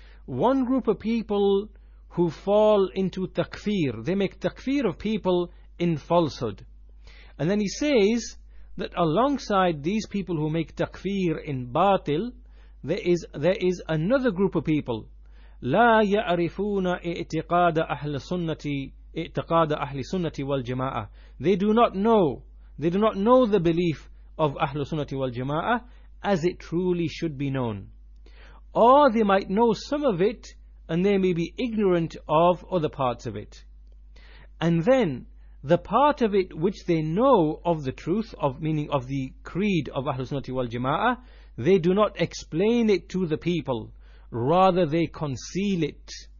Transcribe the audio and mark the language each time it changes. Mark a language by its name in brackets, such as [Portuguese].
[English] One group of people who fall into takfir, they make takfir of people in falsehood. And then he says that alongside these people who make takfir in batil, there is another group of people. [Arabic] لا يعرفون اعتقاد أهل السنة اعتقاد أهل السنة والجماعة. [English] They do not know the belief of أهل السنة والجماعة as it truly should be known. Or they might know some of it and they may be ignorant of other parts of it. And then the part of it which they know of the truth, of meaning of the creed of Ahlus Sunnati wal Jama'ah, they do not explain it to the people, rather they conceal it.